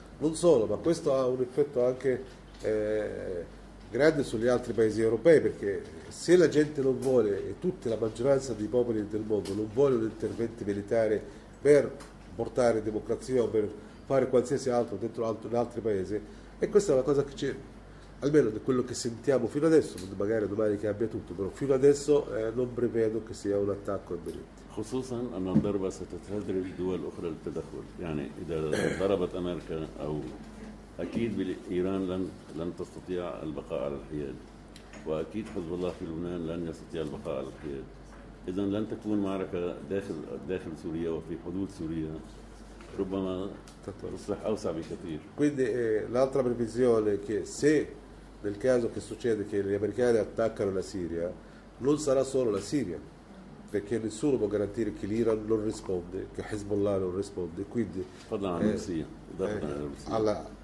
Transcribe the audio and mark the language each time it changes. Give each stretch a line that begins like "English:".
Italian: Non solo, ma questo ha un effetto anche grande sugli altri paesi europei, perché se la gente non vuole, e tutta la maggioranza dei popoli del mondo non vuole un intervento militare per portare democrazia o per fare qualsiasi altro dentro in altri paesi, e questa è una cosa che c'è, almeno da quello che sentiamo fino adesso, magari domani che abbia tutto, però fino adesso non prevedo che sia un attacco imminente.
Arabic: خصوصا ان الضربه ستتدرج دول اخرى للتدخل، يعني اذا ضربت امريكا او اكيد ايران لن تستطيع البقاء على الحياد، واكيد حزب الله في لبنان لن يستطيع البقاء على الحياد. اذا لن تكون معركه داخل سوريا وفي حدود سوريا، ربما تصبح اوسع بكثير.
Italian: Quindi l'altra previsione che se nel caso che succede che gli americani attaccano la Siria, non sarà solo la Siria, perché nessuno può garantire che l'Iran non risponde, che Hezbollah non risponde, quindi Russia.